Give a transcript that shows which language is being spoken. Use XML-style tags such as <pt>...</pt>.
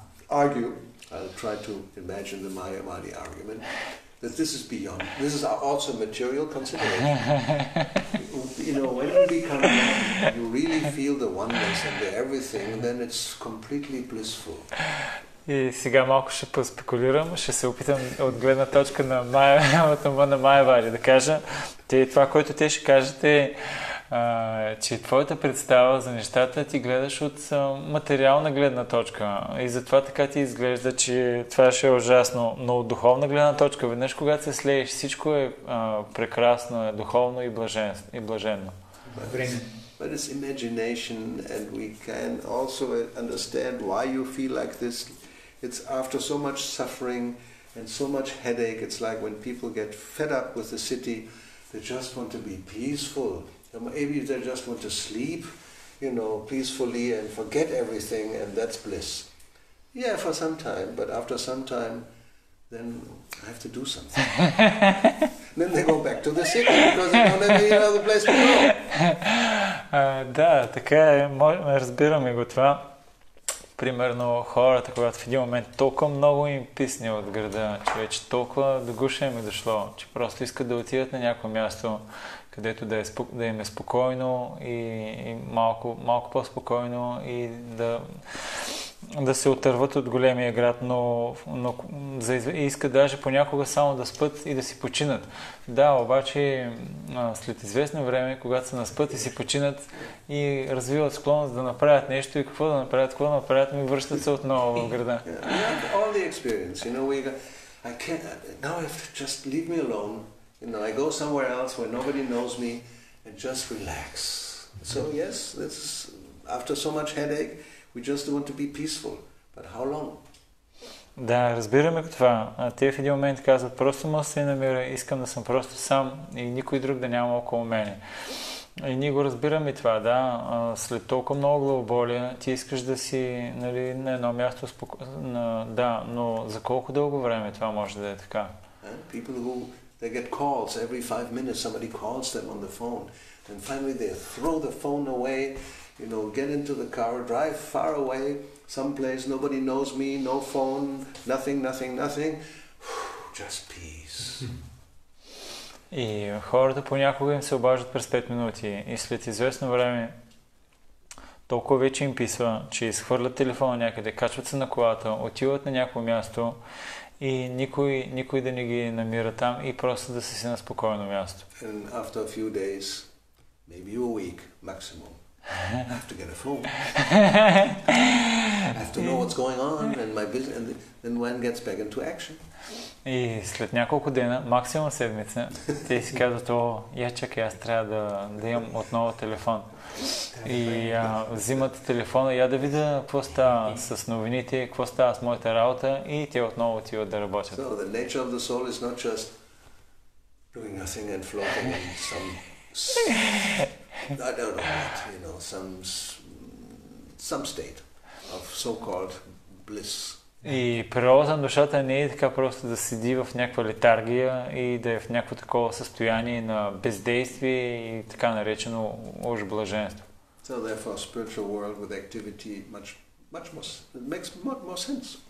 <en>Argue, I'll try to imagine the Mayavadi argument, that this is beyond, this is also material consideration. You know, when you become one, you really feel the oneness and the everything, then it's completely blissful.</en> <bg>И сега малко ще поспекулирам, ще се опитам от гледна точка на Майя Вари да кажа. Те, това, което те ще кажат е, че твоята представа за нещата ти гледаш от материална гледна точка. И затова така ти изглежда, че това ще е ужасно. Но от духовна гледна точка, веднъж когато се слееш, всичко е прекрасно, е духовно и блаженно.</bg> <en>But it's imagination and we can also understand why you feel like this. It's after so much suffering and so much headache, it's like when people get fed up with the city, they just want to be peaceful. Maybe they just want to sleep, you know, peacefully and forget everything, and that's bliss. Yeah, for some time, but after some time, then I have to do something. Then they go back to the city because they don't have any other place to go.</en> <bg>Да, така е, разбирам и го това. Примерно хората, когато в един момент толкова много им писне от града, че вече толкова до гуша им е дошло, че просто искат да отидат на някое място, където да им е спокойно и малко по-спокойно и да се отърват от големия град, но искат даже понякога само да спят и да си починат. Да, обаче след известно време, когато се наспят и си починат и развиват склонност да направят нещо и какво да направят, ми връщат се отново в града.</bg> <en>All the experience, you know, we go, I can't, now if just leave me alone, you know, I go somewhere else where nobody knows me and just relax. So yes, this is, after so much headache, we just want to be peaceful, but how long?</en> <bg>Да, разбираме го това. Те в един момент казват, просто ме се намира, искам да съм просто сам и никой друг да няма около мене. И ние го разбираме това, да. След толкова много главоболия, ти искаш да си, нали, на едно място спокойно. Да, но за колко дълго време това може да е така?</bg> <en>People who, they get calls every 5 minutes, somebody calls them on the phone. And finally they throw the phone away, you know, get into the car, drive far away. Someplace, nobody knows me, no phone, nothing. Just peace.</en> <bg>И хората понякога им се обаждат през 5 минути и след известно време толкова вече им писва, че изхвърлят телефона някъде, качват се на колата, отиват на някое място и никой да не ги намира там и просто да си на спокойно място.</bg> <en>And after a few days, maybe a week maximum, I have to get a phone. I have to know what's going on and my business, and then when gets back into action.</en> <bg>И след няколко дена, максимум седмица, те си казват, о, я чакай, аз трябва да имам отново телефон. И взимат телефона, я да видя какво става с новините, какво става с моята работа и те отново отиват да работят.</bg> <en>So the nature of the soul is not just doing nothing and floating in some... I don't know what, you know, some state of so-called bliss.</en> <bg>И природата на душата не е така просто да седи в някаква летаргия и да е в някакво такова състояние на бездействие и така наречено уж блаженство.</bg> <en>So therefore a spiritual world with activity much, much more, it makes much more sense.</en>